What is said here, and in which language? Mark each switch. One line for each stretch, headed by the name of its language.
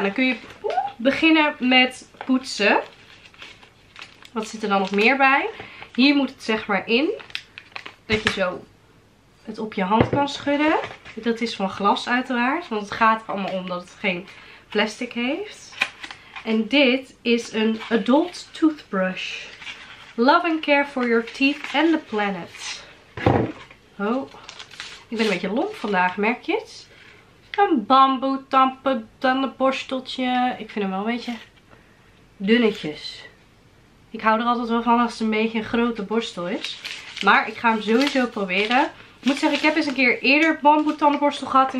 Dutch: Dan kun je beginnen met poetsen. Wat zit er dan nog meer bij? Hier moet het zeg maar in. Dat je zo het op je hand kan schudden. Dat is van glas uiteraard. Want het gaat allemaal om dat het geen plastic heeft. En dit is een
English: adult toothbrush. Love and care for your teeth and the planet.
Dutch: Oh, ik ben een beetje lomp vandaag, merk je het? Een bamboe tandenborsteltje. Ik vind hem wel een beetje dunnetjes. Ik hou er altijd wel van als het een beetje een grote borstel is. Maar ik ga hem sowieso proberen. Ik moet zeggen, ik heb eens een keer eerder bamboe tandenborstel gehad.